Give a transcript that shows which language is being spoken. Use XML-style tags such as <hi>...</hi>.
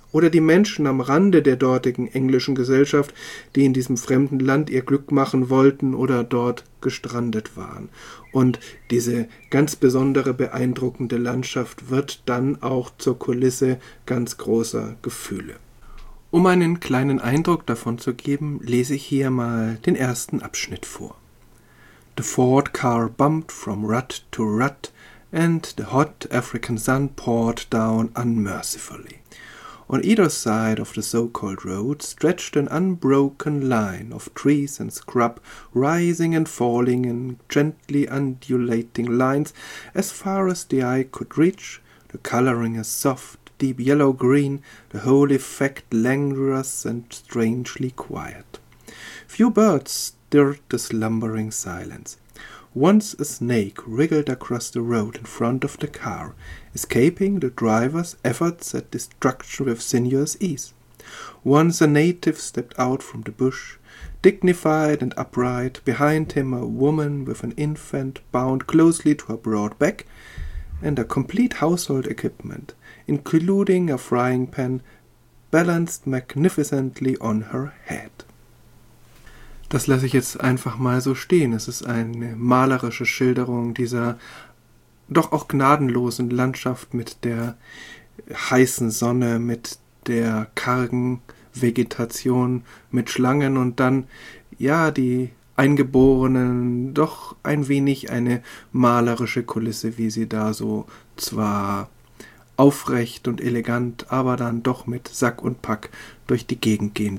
<de>Oder die Menschen am Rande der dortigen englischen Gesellschaft, die in diesem fremden Land ihr Glück machen wollten oder dort gestrandet waren. Und diese ganz besondere, beeindruckende Landschaft wird dann auch zur Kulisse ganz großer Gefühle. Um einen kleinen Eindruck davon zu geben, lese ich hier mal den ersten Abschnitt vor.</de> <en>The Ford car bumped from rut to rut, and the hot African sun poured down unmercifully. On either side of the so-called road stretched an unbroken line of trees and scrub, rising and falling in gently undulating lines as far as the eye could reach, the colouring a soft, deep yellow-green, the whole effect languorous and strangely quiet. Few birds stirred the slumbering silence. Once a snake wriggled across the road in front of the car, escaping the driver's efforts at destruction with sinuous ease. Once a native stepped out from the bush, Dignified and upright, behind him a woman with an infant bound closely to her broad back, and a complete household equipment, including a frying pan, balanced magnificently on her head.</en> <de>Das lasse ich jetzt einfach mal so stehen. Es ist eine malerische Schilderung dieser doch auch gnadenlosen Landschaft mit der heißen Sonne, mit der kargen Vegetation, mit Schlangen und dann, ja, die Eingeborenen, doch ein wenig eine malerische Kulisse, wie sie da so zwar aufrecht und elegant, aber dann doch mit Sack und Pack durch die Gegend gehen.</de>